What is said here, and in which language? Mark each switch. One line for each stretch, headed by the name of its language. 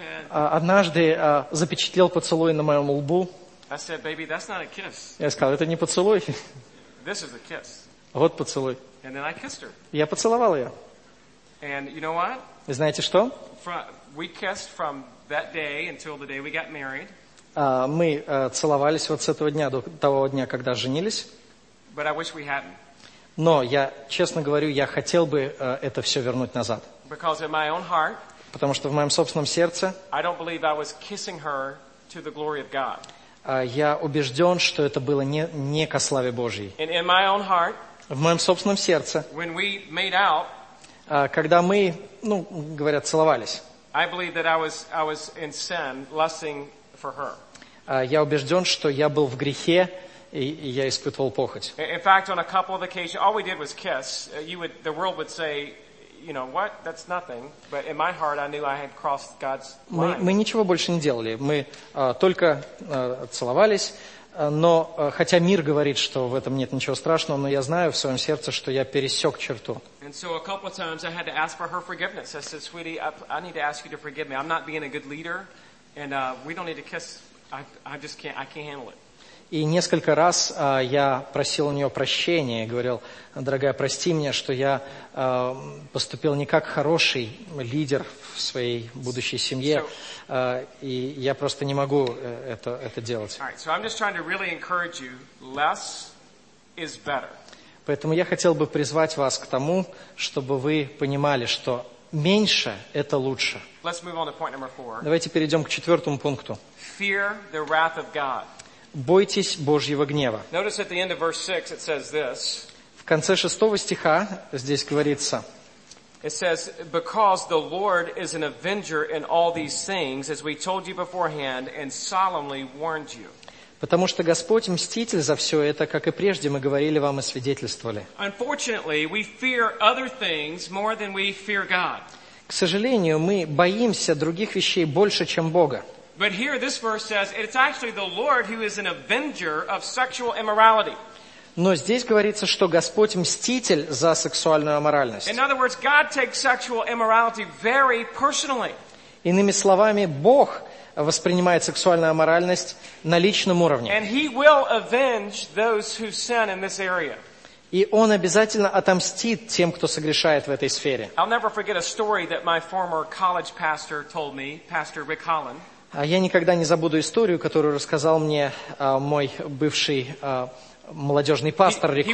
Russian: Однажды запечатлел поцелуй на моем лбу.
English: I said, baby, that's not a kiss.
Russian: Я сказал, это не поцелуй.
English: This is a kiss.
Russian: Вот поцелуй.
English: And then I kissed her.
Russian: Я поцеловал ее.
English: And you know what?
Russian: И знаете что?
English: We kissed from that day until the day we got married.
Russian: Мы целовались вот с этого дня до того дня, когда женились.
English: But I wish we hadn't.
Russian: Но я, честно говорю, я хотел бы это все вернуть назад.
English: Because in my own heart,
Russian: потому что в моем собственном сердце,
English: I don't believe I was kissing her to the glory of God.
Russian: Я убежден, что это было не ко славе Божьей.
English: And in my own heart,
Russian: в моем собственном сердце,
English: when we made out,
Russian: когда мы, ну, говорят, целовались,
English: I believe that I was in sin, lusting for her.
Russian: Я убежден, что я был в грехе. И я испытывал похоть.
English: In fact, on a couple of occasions, all we did was kiss. The world would say, you know, what? That's nothing. But in my heart, I knew I had crossed God's line.
Russian: Мы ничего больше не делали. Мы только целовались. Но хотя мир говорит, что в этом нет ничего страшного, но я знаю в своем сердце, что я пересек черту.
English: And so a couple of times I had to ask for her forgiveness. I said, sweetie, I need to ask you to forgive me. I'm not being a good leader, and we don't need to kiss. I just can't handle it.
Russian: И несколько раз я просил у нее прощения, говорил, дорогая, прости меня, что я поступил не как хороший лидер в своей будущей семье, и я просто не могу это делать.
English: All right, so I'm just trying to really encourage you, less is better.
Russian: Поэтому я хотел бы призвать вас к тому, чтобы вы понимали, что меньше – это лучше.
English: Let's move on to point number four.
Russian: Давайте перейдем к четвертому пункту.
English: Fear the wrath of God.
Russian: Бойтесь Божьего гнева.
English: Notice at the end of verse 6 it says this.
Russian: В конце шестого стиха здесь говорится.
English: It says, because the Lord is an avenger in all these things, as we told you beforehand and solemnly warned you.
Russian: Потому что Господь мститель за все это, как и прежде мы говорили вам и свидетельствовали.
English: Unfortunately, we fear other things more than we fear God.
Russian: К сожалению, мы боимся других вещей больше, чем Бога.
English: But here this verse says it's actually the Lord who is an avenger of sexual immorality.
Russian: Но здесь говорится, что Господь мститель за сексуальную аморальность.
English: In other words, God takes sexual immorality very personally.
Russian: Иными словами, Бог воспринимает сексуальную аморальность на личном уровне.
English: And he will avenge those who sin in this area.
Russian: И он обязательно отомстит тем, кто согрешает в этой сфере.
English: I'll never forget a story that my former college pastor told me, Pastor Rick Holland.
Russian: Я никогда не забуду историю, которую рассказал мне мой бывший молодежный пастор Рик